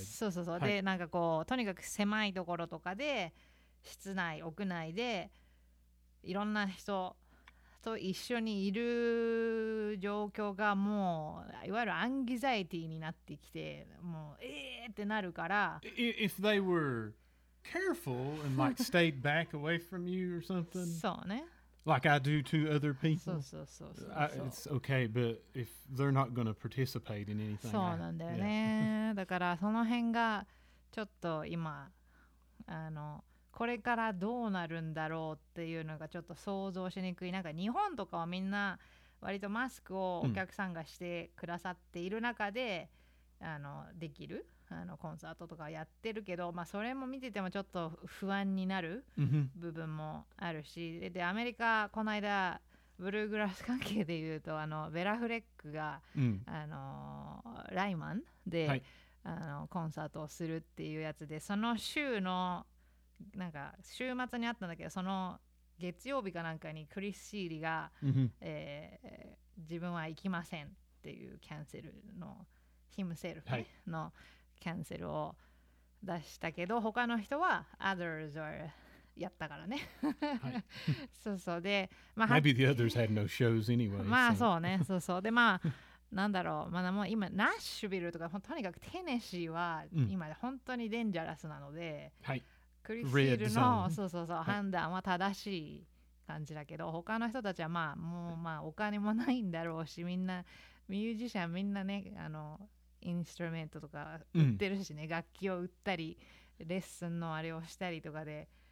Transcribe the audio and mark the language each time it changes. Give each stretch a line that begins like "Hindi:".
Japanese: そうそうそう、はい、でなんかこうとにかく狭いところとかで、室内屋内でいろんな人と一緒にいる状況がもういわゆるアンギザイティになってきて、もうええってなるから、
English: if they wereCareful and like stayed back away from you or something.
Japanese: そうね。
English: Like I do to other people.
Japanese: そうそうそうそう、そう。
English: It's okay, but if they're not going to participate in anything.
Japanese: そうなんだよね。だからその辺がちょっと今あのこれからどうなるんだろうっていうのがちょっと想像しにくい。なんか日本とかはみんな割とマスクをお客さんがしてくださっている中で、うん、あのできる。あのコンサートとかやってるけど、まあ、それも見ててもちょっと不安になる部分もあるし、うん、でアメリカこの間ブルーグラス関係で言うと、あのベラフレックが、うん、あのライマンで、はい、あのコンサートをするっていうやつで、その週のなんか週末にあったんだけど、その月曜日かなんかにクリス・シーリが、うん、自分は行きませんっていうキャンセルのヒムセルフ、ねはい、のキャンセルを出したけど、他の人は
English: others are
Japanese: やったからね。そうそう、で、まあ、
English: maybe the others had no shows anyway.
Japanese: まあそうね、そうそう、でまあなんだろう、まだもう今ナッシュビルとか、とにかくテネシーは今本当にデンジャラスなので、はい、クリスティルのそうそうそう判断は正しい感じだけど、他の人たちはまあもうまあお金もないんだろうし、みんなミュージシャンみんなね、あのインストルメントとか売ってるしね、うん、楽器を売ったりレッスンのあれをしたりとかで